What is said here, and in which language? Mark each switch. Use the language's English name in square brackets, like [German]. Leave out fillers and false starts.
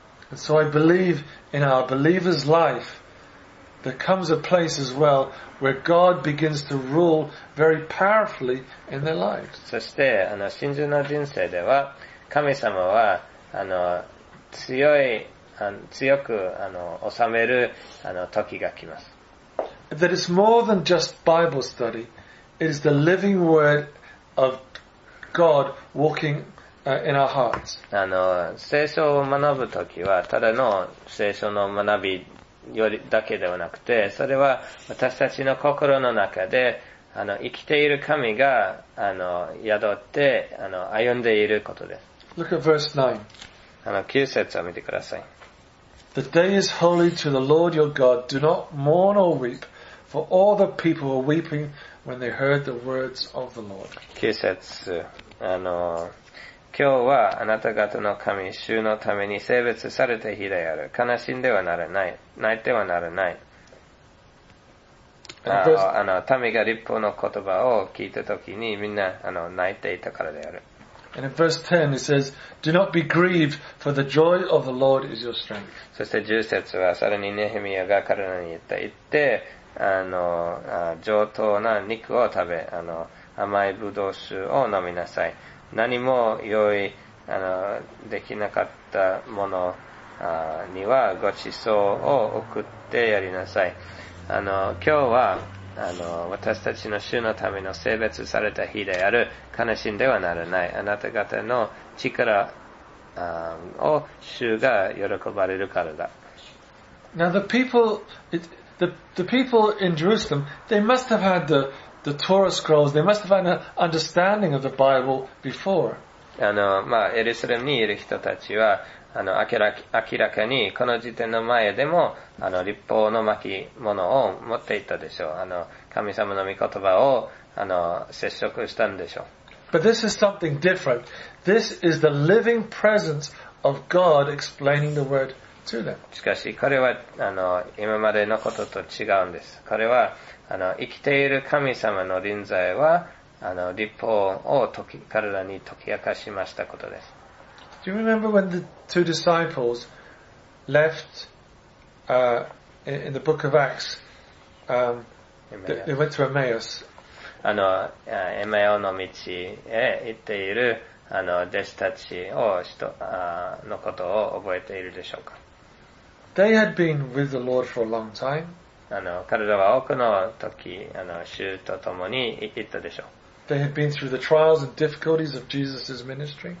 [English] And so I believe in our believer's life, there comes a place as well where God begins to rule very powerfully in their lives. [Japanese] そして、あの、信者の人生では、神様は、あの、強く、あの、治める、あの、時が来ます。 [English] That is more than just Bible study. It is the living word of God walking in our hearts. [Japanese] あの、聖書を学ぶ時は、ただの聖書の学びよりだけではなくて、それは私たちの心の中で、あの、生きている神が、あの、宿って、あの、歩んでいることです。 [English] Look at verse 9. [Japanese] あの、9節を見てください。 [English] The day is holy to the Lord your God. Do not mourn or weep, for all the people were weeping when they heard the words of the Lord. [Japanese] 9節。あの、今日はあなた方の神、主のために聖別された日である。悲しんではならない。泣いてはならない。あの、民が律法の言葉を聞いたときにみんな、あの、泣いていたからである。 [English] And in verse 10 it says, Do not be grieved, for the joy of the Lord is your strength. [Japanese] そして10節はさらにネヘミヤが彼らに言った。言って、あの、上等な肉を食べ、あの、甘いブドウ酒を飲みなさい。何も用意、あの、できなかったものにはごちそうを送ってやりなさい。あの、今日は、あの、私たちの主のための聖別された日である。悲しんではならない。あなた方の力を主が喜ばれるからだ。 [English] Now the people in Jerusalem, they must have had the Torah scrolls, they must have had an understanding of the Bible before. [Japanese] あの、まあ、エルサレムにいる人たちは、あの、明らかに、この時点の前でも、あの、律法の巻物を持っていたでしょう。あの、神様の御言葉を、あの、接触したんでしょう。 [English] But this is something different. This is the living presence of God explaining the word to them. [Japanese] しかし、これは、あの、今までのことと違うんです。これは、あの、生きている神様の臨在は、あの、律法を彼らに解き明かしましたことです。 [English] Do you remember when the two disciples left in the book of Acts? They went to Emmaus. [Japanese] あの、エマヤオの道へ行っている、あの、弟子たちを、のことを覚えているでしょうか? [English] They had been with the Lord for a long time. [Japanese] 彼らは多くの時、衆とともに行ったでしょう。 [English] They had been through the trials and difficulties of Jesus' ministry.